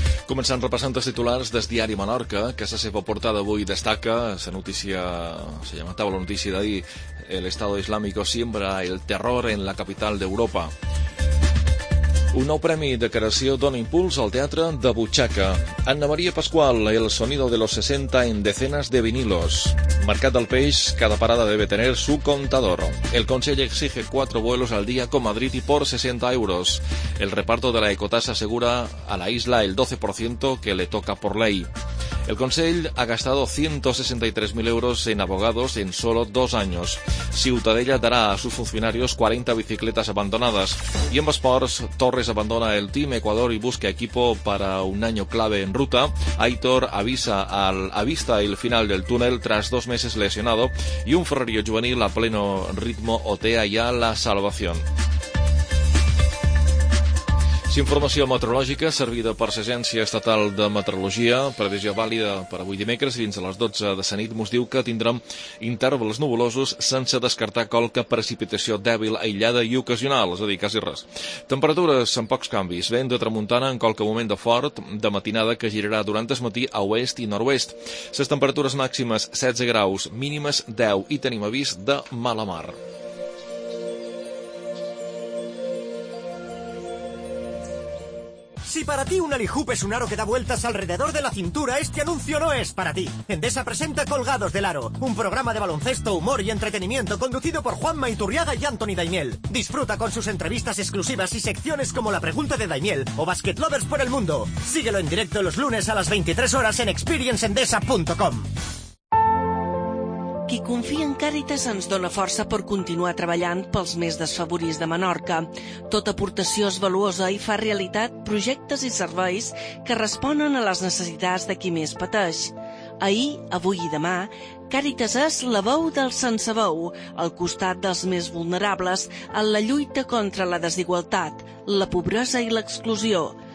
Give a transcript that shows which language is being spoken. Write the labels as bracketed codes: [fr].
[ca] Començant repassant els titulars del diari Menorca, que la seva portada avui destaca la notícia, [es] se llama [ca] taula notícia d'ahir, [es] el Estado Islámico siembra el terror en la capital [ca] d'Europa. Un nou premi de creació dona impuls al teatre de butxaca. [es] Anna Maria Pascual, el sonido de los 60 en decenas de vinilos. Mercat del Peix, cada parada debe tener su contador. El Consell exige 4 vuelos al día con Madrid y por 60 euros. El reparto de la ecotasa asegura a la isla el 12% que le toca por ley. El Consell ha gastado 163.000 euros en abogados en solo 2 años. Ciutadella dará a sus funcionarios 40 bicicletas abandonadas. Y en Esports, Torres abandona el Team Ecuador y busca equipo para un año clave en ruta. Aitor avista el final del túnel tras 2 meses lesionado. Y un ferrerío juvenil a pleno ritmo otea ya la salvación. [ca] Informació meteorològica servida per l'Agència Estatal de Meteorologia, previsió vàlida per avui dimecres fins a les 12 de la nit, mos diu que tindrem intervals nuvolosos sense descartar qualque precipitació dèbil, aïllada i ocasional, és a dir, quasi res. Temperatures amb pocs canvis, vent de tramuntana en qualque moment de fort, de matinada que girarà durant el matí a oest i nord-oest. Les temperatures màximes 16 graus, mínimes 10 i tenim avís de mala mar. [es] Si para ti un alihoop es un aro que da vueltas alrededor de la cintura, este anuncio no es para ti. Endesa presenta Colgados del Aro, un programa de baloncesto, humor y entretenimiento conducido por Juanma Iturriaga y Anthony Daimiel. Disfruta con sus entrevistas exclusivas y secciones como La Pregunta de Daimiel o Basket Lovers por el Mundo. Síguelo en directo los lunes a las 23 horas en experienceendesa.com. [ca] Qui confia en Càritas ens dona força per continuar treballant pels més desfavorits de Menorca. Tota aportació és valuosa i fa realitat projectes i serveis que responen a les necessitats de qui més pateix. Ahir, avui i demà, Càritas és la veu del sense veu, al costat dels més vulnerables en la lluita contra la desigualtat, la pobresa i l'exclusió.